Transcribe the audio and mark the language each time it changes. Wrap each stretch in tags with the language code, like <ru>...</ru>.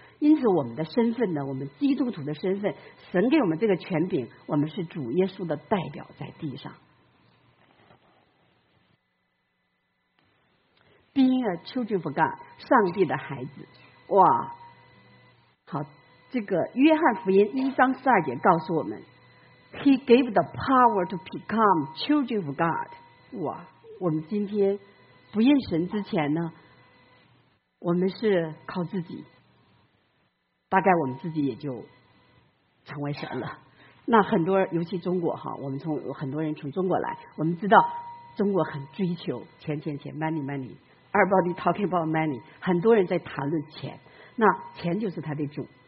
<zh>因此我们的身份呢，我们基督徒的身份，神给我们这个权柄，我们是主耶稣的代表在地上。</zh> <en>Being a children of God，</en> <zh>上帝的孩子。 哇，好，这个约翰福音1:12告诉我们，</zh> <en>He gave the power to become children of God。</en> <zh>哇，我们今天不认神之前呢，我们是靠自己，大概我们自己也就成为神了。那很多尤其中国哈，我们从很多人从中国来，我们知道中国很追求钱</zh> <en>money， everybody talking about money，</en> <zh>很多人在谈论钱，那钱就是他的主。</zh>